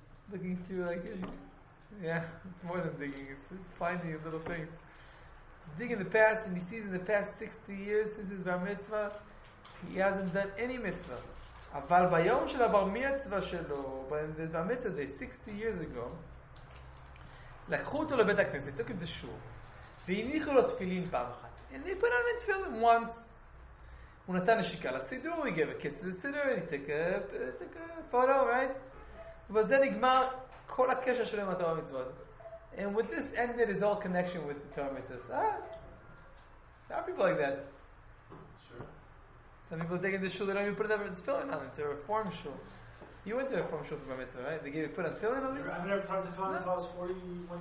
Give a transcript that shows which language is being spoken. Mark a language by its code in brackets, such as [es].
[en] Looking through like, yeah, it's more than digging. It's finding little things. Digging the past, and he sees in the past 60 years since his bar mitzvah, he hasn't done any mitzvah. [he] אבל ביום של הבר מצווה שלו, במצווה הזה, [en] 60 years ago, [he] לקחו אותו לבית הכנסת, [en] took him to shul, [he] והניחו לו תפילין פעם אחת. [en] And they put on a tefillin once. [he] הוא נתן נשיקה לסידור, [en] he gave a kiss to the sidur, he took a photo, right? [he] וזה נגמר כל הקשר שלו עם התורה מצוות. [en] And with this ended his whole connection with the Torah mitzvah. There are people like that. Some people take in the shul, they don't even put a tefillin on. It's a reform shul. You went to a reform shul for bar mitzvah, right? They gave you put a tefillin on it? I've never talked to Tom until I was 41